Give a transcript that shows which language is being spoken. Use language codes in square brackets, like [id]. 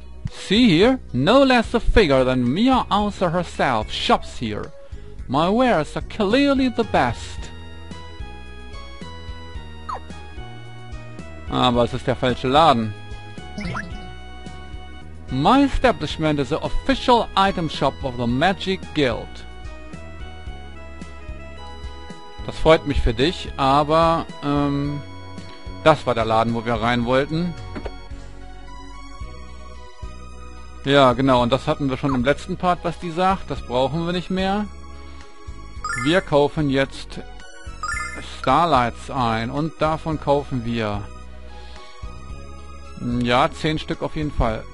[en] See here, no less a figure than Mia Ansa herself shops here. My wares are clearly the best. [de] Aber es ist der falsche Laden. [en] My establishment is the official item shop of the Magic Guild. [de] Das freut mich für dich, aber das war der Laden, wo wir rein wollten. Ja, genau, und das hatten wir schon im letzten Part, was die sagt. Das brauchen wir nicht mehr. Wir kaufen jetzt Starlights ein und davon kaufen wir, ja, 10 Stück auf jeden Fall.